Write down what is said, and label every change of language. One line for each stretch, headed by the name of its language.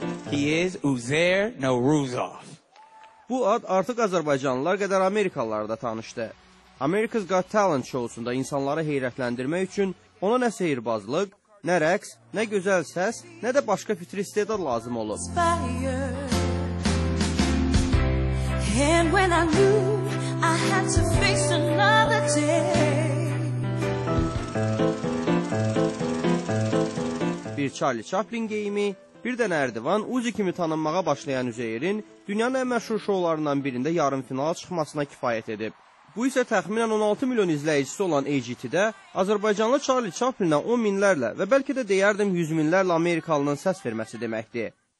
English: He is Uzair Nowruzov.
Azerbaijani: Bu ad artıq Azərbaycanlılar qədər Amerikalılar da tanışdı. America's Got Talent şovusunda insanları heyrətləndirmək üçün ona nə sehirbazlıq, nə rəqs, nə gözəl səs, nə də başqa fitri istedad lazım olur.
English: And when I knew I had to face another day.
Azerbaijani: Bir Charlie Chaplin geyimi, bir də Nərdivan Uzi kimi tanınmağa başlayan Üzeyrin dünyanın ən məşhur şovlarından birində yarım finala çıxmasına kifayət edib. Bu isə təxminən 16 milyon izləyicisi olan AGT-də Azərbaycanlı Charlie Chaplin-ə 10 minlərlə və bəlkə də deyərdim 100 minlərlə Amerikalının səs verməsi deməkdir.